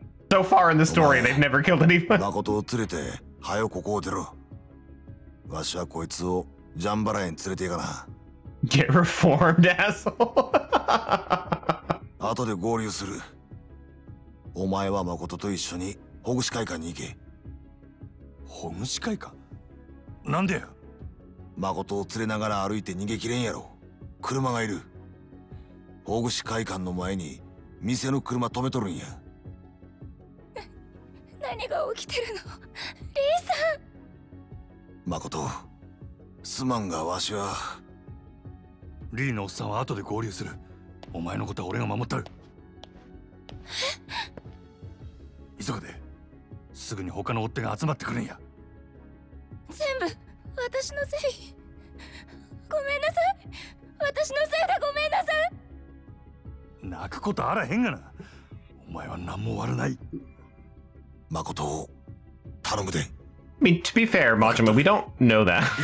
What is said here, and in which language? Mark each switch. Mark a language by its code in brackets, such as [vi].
[en] So far in the story, they've never killed anyone. [ja] 誠を連れて、早くここを出ろ。わしはこいつをジャンバラへ連れて行かな。 [en] Get reformed, asshole. [ja] 後で合流する。お前は誠と一緒に保護司会館に行け。保護司会館？なんでよ。誠を連れながら歩いて逃げきれんやろ。車がいる。保護司会館の前に店の車止めとるんや。何が起きてるの、リーさん。誠、すまんがわしは。リーのおっさんは後で合流する。お前のことは俺が守ったる。急ぐで。すぐに他の追っ手が集まってくるんや。全部私のせい。ごめんなさい。私のせいでごめんなさい。泣くことあらへんがな。お前は何も悪ない。誠を頼むで。 [en] I mean, to be fair, Majima, we don't know that.